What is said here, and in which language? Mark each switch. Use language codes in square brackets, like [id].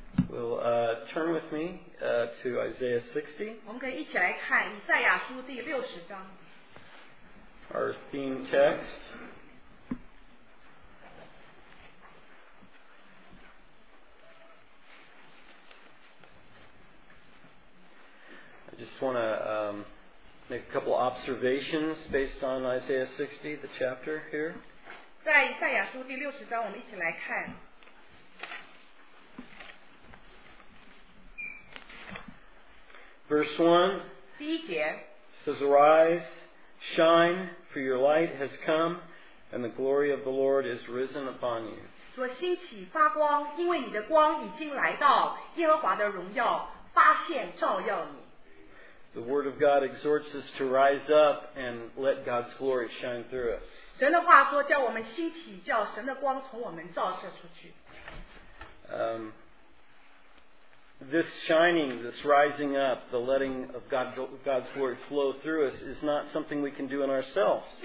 [en] Well, turn with me to Isaiah 60. [zh] 我们可以一起来看以赛亚书第60章。 [en] Our theme text. I just want to make a couple observations based on Isaiah 60, the chapter here. [zh] 在以赛亚书第60章, 我们一起来看。 [en] Verse 1. [zh] 第一节, [en] says, arise, shine, for your light has come, and the glory of the Lord is risen upon you. [zh] 说兴起发光, 因为你的光已经来到, 耶和华的荣耀, 发现照耀你。 [en] The Word of God exhorts us to rise up and let God's glory shine through us. [zh] 神的话说, 叫我们兴起, 叫神的光从我们照射出去。 [en] This shining, this rising up, the letting of God's glory flow through us is not something we can do in ourselves.